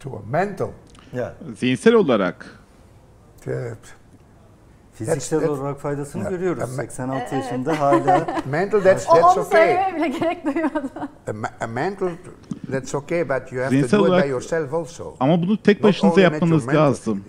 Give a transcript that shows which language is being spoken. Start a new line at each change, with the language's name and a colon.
English: Mental.
Turkish: Yeah. Zihinsel olarak. Evet. Fiziksel olarak faydasını görüyoruz. 86 yaşında hala.
English: Mental, that's okay.
Turkish: Onu söylememe bile gerek duymadı.
English: Mental, that's okay, but you have to do it by yourself also.
Turkish: Ama bunu tek başınıza yapmanız lazım.